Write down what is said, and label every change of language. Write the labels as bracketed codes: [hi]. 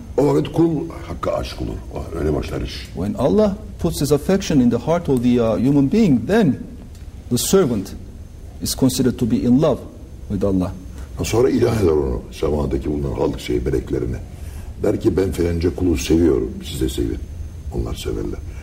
[tr] O evet, kul hakka aşık olur, öyle başlar iş. [en] When Allah puts his affection in the heart of the human being, then the servant is considered to be in love with Allah. [tr] Sonra ilah eder onu, semadaki bulunan halk şeyi, meleklerini. Der ki, ben filanca kulu seviyorum, siz de sevin. Onlar severler.